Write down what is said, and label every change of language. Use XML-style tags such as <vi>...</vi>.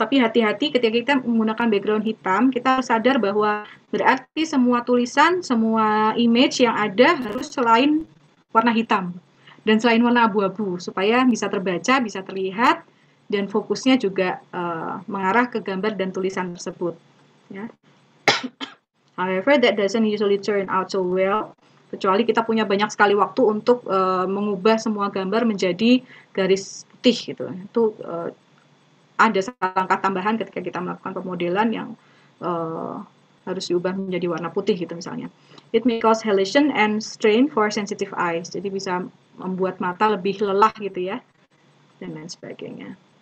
<id>Tapi hati-hati ketika kita menggunakan background hitam, kita sadar bahwa berarti semua tulisan, semua image yang ada harus selain warna hitam dan selain warna abu-abu, supaya bisa terbaca, bisa terlihat, dan fokusnya juga mengarah ke gambar dan tulisan tersebut. Ya.</id> <en>However, that doesn't usually turn out so well.</en> <id>Kecuali kita punya banyak sekali waktu untuk mengubah semua gambar menjadi garis putih gitu. Itu ada langkah tambahan ketika kita melakukan pemodelan yang harus diubah menjadi warna putih gitu misalnya.</id> <en>It may cause halation and strain for sensitive eyes.</en> <id>Jadi bisa membuat mata lebih lelah gitu ya dan lain sebagainya.</id>